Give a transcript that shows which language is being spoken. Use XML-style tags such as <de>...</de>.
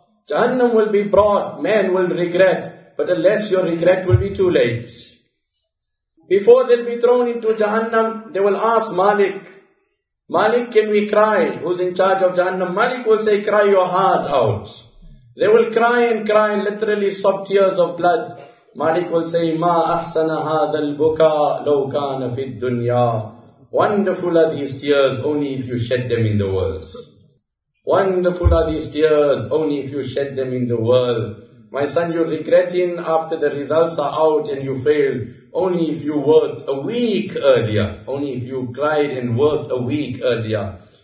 <en>Jahannam will be brought, man will regret, but unless your regret will be too late. Before they'll be thrown into Jahannam, they will ask Malik, Malik, can we cry? Who's in charge of Jahannam? Malik will say, cry your heart out. They will cry and cry, literally sob tears of blood. Malik will say,</en> <ar>مَا أَحْسَنَ هَذَا الْبُكَى لَوْ كَانَ فِي الدُّنْيَا.</ar> <en>Wonderful are these tears, only if you shed them in the world. Wonderful are these tears, only if you shed them in the world. My son, you're regretting after the results are out and you failed. Only if you worked a week earlier. Only if you cried and worked a week earlier.</en>